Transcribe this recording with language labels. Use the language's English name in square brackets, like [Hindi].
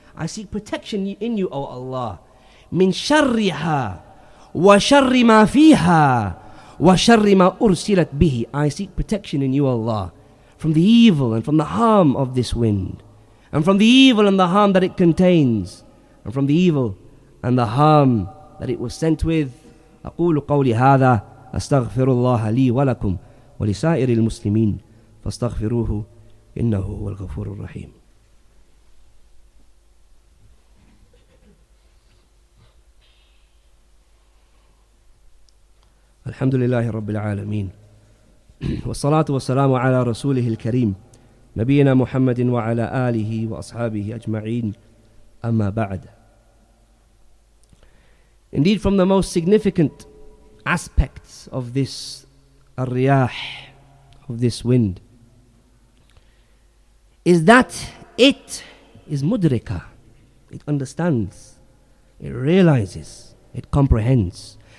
[English] I seek protection in you, O Allah. [Arabic] مِنْ شَرِّهَا وَشَرِّ مَا فِيهَا وَشَرِّ مَا أُرْسِلَتْ بِهِ. [English] I seek protection in you, Allah, from the evil and from the harm of this wind, and from the evil and the harm that it contains, and from the evil and the harm that it was sent with. [Arabic] أقول قولي هذا أستغفر الله لي ولكم ولسائر المسلمين فاستغفروه إنه هو الغفور الرحيم. الحمد لله رب العالمين والصلاة والسلام على رسوله الكريم نبينا محمد وعلى آله وأصحابه أجمعين أما بعد. [English] Indeed, from the most significant aspects of this الرياح, of this wind, is that it is مدركة. It understands, it realizes, it comprehends.